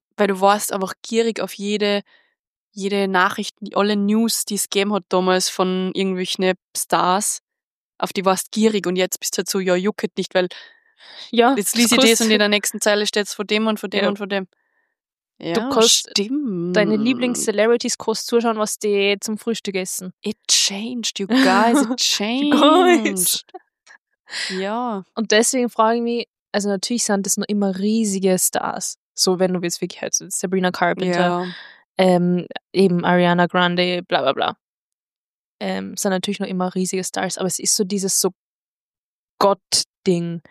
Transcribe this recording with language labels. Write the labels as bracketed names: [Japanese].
[German] weil du warst einfach gierig auf jede Nachricht, alle News, die es gegeben hat damals von irgendwelchen Stars, auf die warst gierig und jetzt bist du halt so, ja, jucket nicht, weil ja, jetzt liest ich das und in der nächsten Zeile steht es von dem und von dem und von dem. Ja, du kannst deine Lieblings-Celebrities-Kurs zuschauen, was die zum Frühstück essen. [English] It changed, you guys, it changed. Ja. [German] Und deswegen frage ich mich, also natürlich sind das nur immer riesige Stars. So, wenn du willst, wirklich halt Sabrina Carpenter, yeah, eben Ariana Grande, bla bla bla. Sind natürlich nur immer riesige Stars. Aber es ist so dieses so Gott-Ding